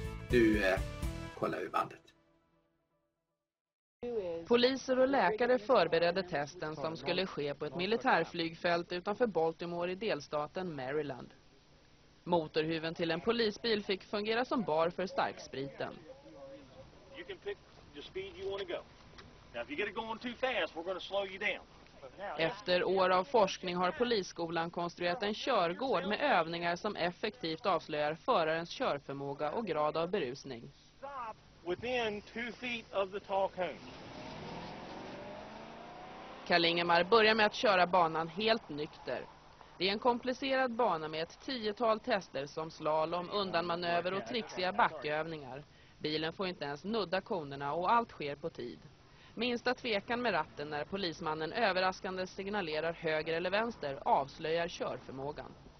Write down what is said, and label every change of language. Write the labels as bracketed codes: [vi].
[sv] Nu kollar vi bandet. Poliser och läkare förberedde testen som skulle ske på ett militärflygfält utanför Baltimore i delstaten Maryland. Motorhuven till en polisbil fick fungera som bar för starkspriten. [en] You can pick the speed you want to go. Now if you get it going too fast, we're going to slow you down. [sv] Efter år av forskning har polisskolan konstruerat en körgård med övningar som effektivt avslöjar förarens körförmåga och grad av berusning. [en] Within 2 feet of the tall cone. [sv] Kalingemar börjar med att köra banan helt nykter. Det är en komplicerad bana med ett tiotal tester som slalom, undanmanöver och trixiga backövningar. Bilen får inte ens nudda konerna och allt sker på tid. Minsta tvekan med ratten när polismannen överraskande signalerar höger eller vänster avslöjar körförmågan.